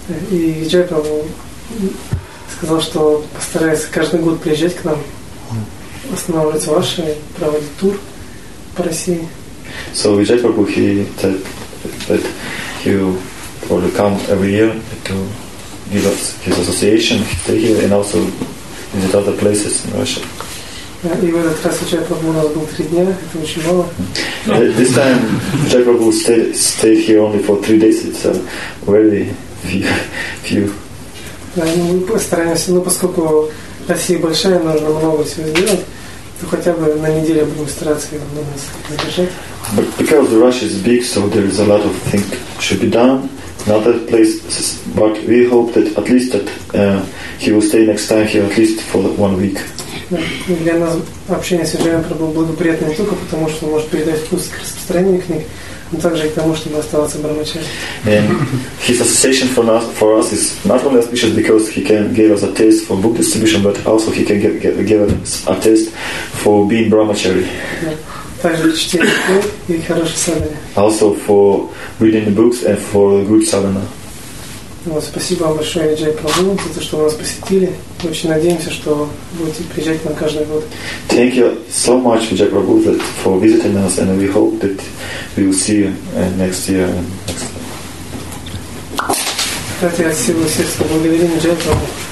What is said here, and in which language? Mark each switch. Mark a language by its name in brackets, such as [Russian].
[Russian] И Джай Прабху сказал, что постарается каждый год приезжать к нам, останавливаться в Ашраме, проводить тур по России. [English] So Джай Прабху, he said that he will probably come every year to give up his association and also visit other places in Russia. [Russian] И в этот раз у Чай Прабху у нас был 3 дня, это очень мало. [English] This time Чай Прабху stayed here only for 3 days, it's very few. [Russian] Да, ну, мы постараемся, но поскольку Россия большая, нужно много всего сделать, то хотя бы на неделю будем стараться его на нас задержать. [English] But because the Russia is big, so there is a lot of things should be done in other places, but we hope that at least that he will stay next time here at least for 1 week. [Russian] Для нас общение с Джаем Прабху благоприятно не только потому, что он может передать вкус к распространению книг, но также и к тому, чтобы оставаться брахмачари. [English] And his association for us is not only auspicious because he can give us a taste for book distribution, but also he can give us a taste for being brahmachari. [Russian] Также чтение книг и хорошее саддхана. [English] Also for reading the books and for good саддхана. [Russian] Вот, спасибо вам большое, Джай Прабху, за то, что вы нас посетили. Очень надеемся, что будете приезжать к нам каждый год. [English] Thank you so much, Джай Прабху, for visiting us, and we hope that we will see you next year. [Russian] Кстати, от силы сердца благодарим Джай Прабху.